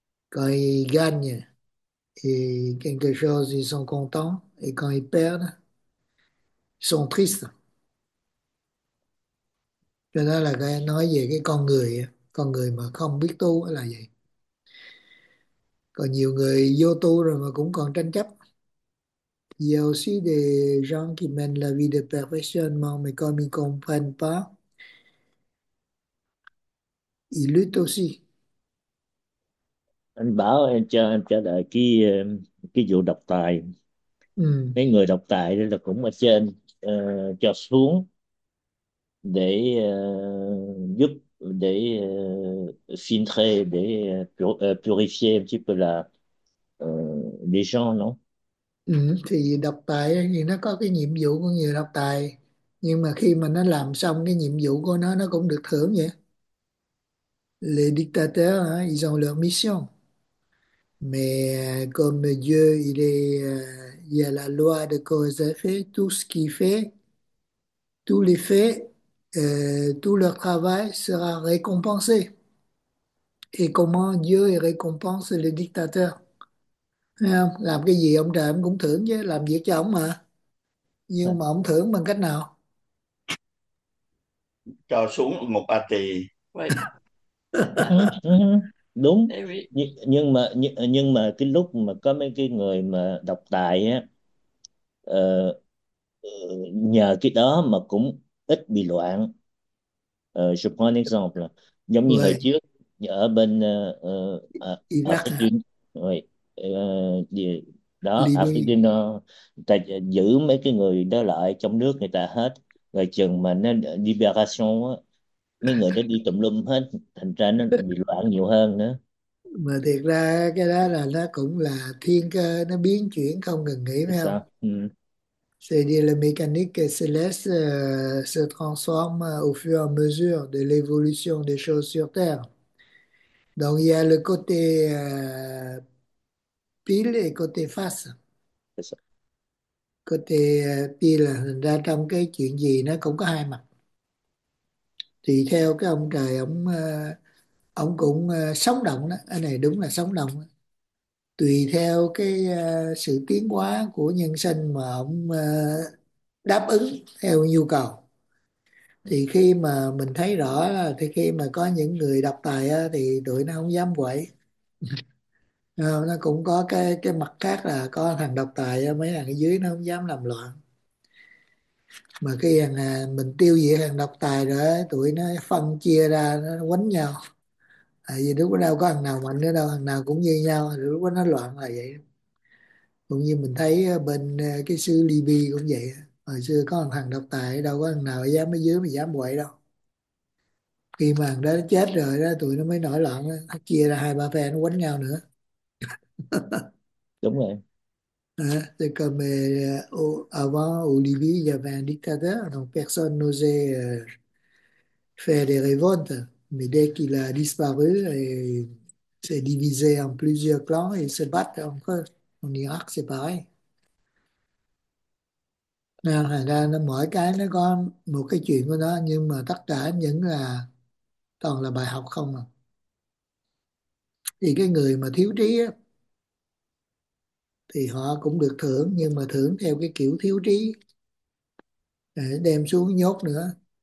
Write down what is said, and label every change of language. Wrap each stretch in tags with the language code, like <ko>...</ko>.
<fr>Quand ils gagnent, ils quelque chose, ils sont contents. Et quand ils perdent, ils sont tristes.</fr> <vi>Cho nên là cái nói về cái con người mà không biết tu là vậy. Còn nhiều người vô tu rồi mà cũng còn tranh chấp.</vi> <fr>Il y a aussi des gens qui mènent la vie de perfectionnement, mais comme ils ne comprennent pas, ils luttent aussi.</fr> <vi>Anh bảo em cho anh trả lời cái vụ độc tài. Mấy người độc tài đó là cũng ở trên cho xuống để giúp để</vi> <fr>filtrer</fr> <vi>để</vi> <fr>purifier un petit peu</fr> <vi>là</vi> <fr>les gens, non?</fr> <vi>Thì độc tài thì nó có cái nhiệm vụ của người độc tài, nhưng mà khi mà nó làm xong cái nhiệm vụ của nó cũng được thưởng vậy.</vi> <fr>Les dictateurs, ils ont leur mission. Mais comme Dieu, il y a la loi de cause et effet, tout ce qu'il fait, tous les faits, tout leur travail sera récompensé. Et comment Dieu récompense les dictateurs?</fr> <vi>Làm cái gì ông trời ông cũng thưởng chứ, làm việc cho ông mà. Nhưng mà ông thưởng bằng cách nào? Cho xuống một bà tỳ vậy. Đúng, Để vì nhưng mà cái lúc mà có mấy cái người mà độc tài á, nhờ cái đó mà cũng ít bị loạn.</vi> <fr>Je prends un exemple,</fr> <vi>giống như hồi</vi> <fr>ouais.</fr> <vi>trước ở bên Iraq đó, Libya. Afrika ta giữ mấy cái người đó lại trong nước người ta hết, rồi chừng mà nó liberation á, mấy người đó đi tùm lum hết, thành ra nó bị loạn nhiều hơn nữa. Mà thiệt ra cái đó là nó cũng là thiên cơ, nó biến chuyển không ngừng nghỉ, phải không? Sao? Ừ.</vi> <fr>C'est la mécanique céleste se transforme au fur et à mesure de l'évolution des choses sur Terre. Donc il y a le côté pile et côté face. Côté pile,</fr> <vi>ra trong cái chuyện gì nó cũng có hai mặt. Tùy theo cái ông trời ông cũng sống động đó, cái này đúng là sống động đó. Tùy theo cái sự tiến hóa của nhân sinh mà ông đáp ứng theo nhu cầu. Thì khi mà mình thấy rõ là, thì khi mà có những người độc tài á, thì tụi nó không dám quậy. Nó cũng có cái mặt khác là có thằng độc tài mấy thằng ở dưới nó không dám làm loạn. Mà khi mình tiêu diệt thằng độc tài rồi, tụi nó phân chia ra, nó quánh nhau. Tại vì lúc đó đâu có thằng nào mạnh nữa đâu, thằng nào cũng như nhau, lúc đó nó loạn là vậy. Cũng như mình thấy bên cái xứ Libya cũng vậy. Hồi xưa có thằng độc tài, đâu có thằng nào dám ở dưới mà dám quậy đâu. Khi mà thằng đó chết rồi đó, tụi nó mới nổi loạn, nó chia ra hai ba phe nó quánh nhau nữa. Đúng rồi.</vi> <fr>C'est comme avant au Libye, il y avait un dictateur, donc personne n'osait faire des révoltes. Mais dès qu'il a disparu, c'est divisé en plusieurs clans et se battent encore. En Irak, c'est pareil.</fr> <vi>Thành ra mỗi cái nó có một cái chuyện của nó, nhưng mà tất cả những là toàn là bài học không à. Thì cái người mà thiếu trí á, thì họ cũng được thưởng, nhưng mà thưởng theo cái kiểu thiếu trí, để đem xuống nhốt nữa.</vi>